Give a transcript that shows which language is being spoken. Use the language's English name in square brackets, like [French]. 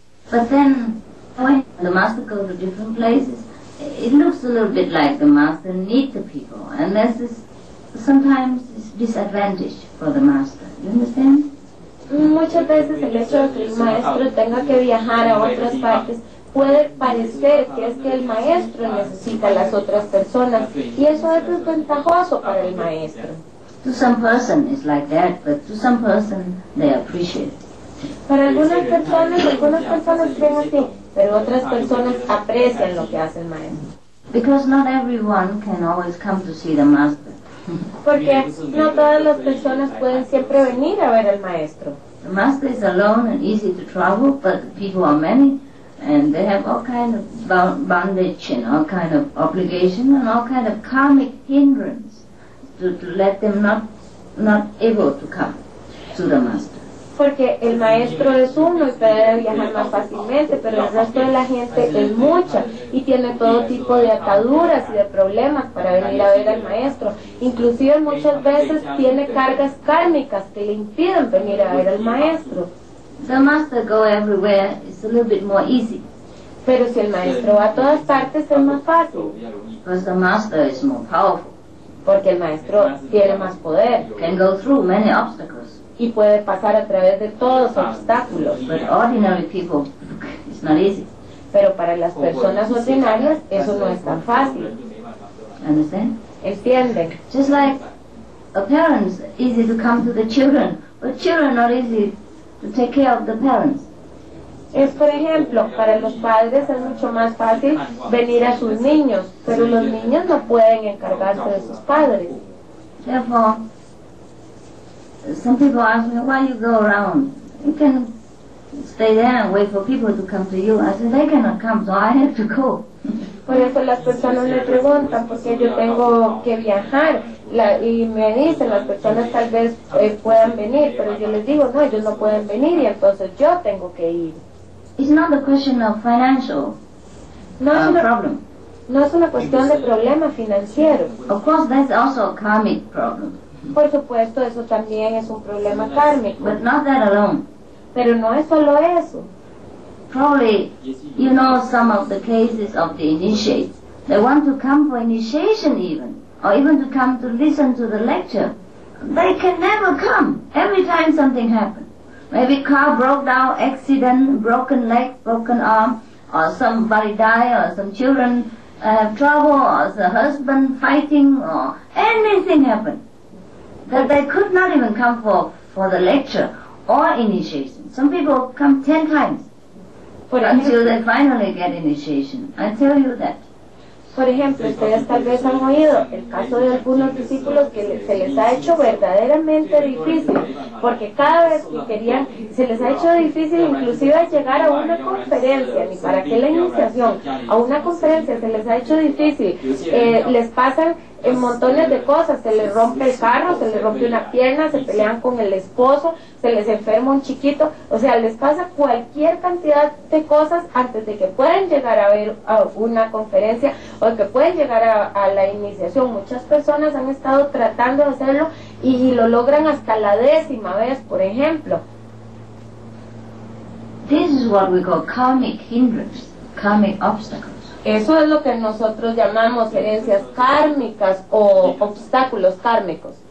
[English] But then, when the master goes to different places, it looks a little bit like the master needs the people, and this is sometimes it's disadvantage for the master. You understand? [Spanish] Muchas veces el hecho de que el maestro tenga que viajar a otras partes puede parecer que es que el maestro necesita a las otras personas, y eso es desventajoso para el maestro. [English] To some person it's like that, but to some person they appreciate. [Spanish] Para algunas personas creen así, pero otras personas aprecian lo que hace el maestro. [English] Because not everyone can always come to see the master. [Spanish] Porque no todas las personas pueden siempre venir a ver al maestro. [English] The master is alone and easy to travel, but the people are many, and they have all kind of bondage and all kind of obligation and all kind of karmic hindrance. To let them not able to come to the master. [Spanish] porque el maestro es uno y puede viajar más fácilmente, pero el resto de la gente es mucha y tiene todo tipo de ataduras y de problemas para venir a ver al maestro. Inclusive muchas veces tiene cargas kármicas que le impiden venir a ver al maestro. [English] The master go everywhere is a little bit more easy. [Spanish] Pero si el maestro va a todas partes es más fácil. [English] Because the master is more powerful. [Spanish] Porque el maestro tiene más poder. [English] Can go through many obstacles. [Spanish] Y puede pasar a través de todos los obstáculos. [English] But ordinary people, it's not easy. [Spanish] Pero para las personas ordinarias eso no es tan fácil. [English] Understand? [Spanish] Entiende. [English] Just like a parent's easy to come to the children, but children not easy to take care of the parents. [Spanish] Es, por ejemplo, para los padres es mucho más fácil venir a sus niños, pero los niños no pueden encargarse de sus padres. [English] Therefore, some people ask me, why you go around? You can stay there and wait for people to come to you. I said, they cannot come, so I have to go. [Spanish] Por eso las personas me preguntan, ¿por qué yo tengo que viajar? Y me dicen, las personas tal vez puedan venir, pero yo les digo, no, ellos no pueden venir y entonces yo tengo que ir. [English] It's not a question of financial problem. [Spanish] No es una cuestión de problema financiero. [English] Of course, that's also a karmic problem. [Spanish] Por supuesto, eso también es un problema kármico. [English] But not that alone. [Spanish] Pero no es solo eso. [English] Probably, you know some of the cases of the initiates. They want to come for initiation even, or even to come to listen to the lecture. They can never come. Every time something happens. Maybe car broke down, accident, broken leg, broken arm, or somebody die, or some children have trouble, or the husband fighting, or anything happened. That they could not even come for the lecture or initiation. Some people come 10 times until they finally get initiation. I tell you that. [Spanish] Por ejemplo, ustedes tal vez han oído el caso de algunos discípulos que se les ha hecho verdaderamente difícil, porque cada vez que querían, se les ha hecho difícil inclusive llegar a una conferencia, ni para qué la iniciación, a una conferencia se les ha hecho difícil, les pasan en montones de cosas, se les rompe el carro, se les rompe una pierna, se pelean con el esposo, se les enferma un chiquito, o sea, les pasa cualquier cantidad de cosas antes de que puedan llegar a ver a una conferencia o que puedan llegar a la iniciación. Muchas personas han estado tratando de hacerlo y lo logran hasta la décima vez, por ejemplo. [English] This is what we call karmic hindrance, karmic obstacles. [Spanish] Eso es lo que nosotros llamamos herencias kármicas o obstáculos kármicos.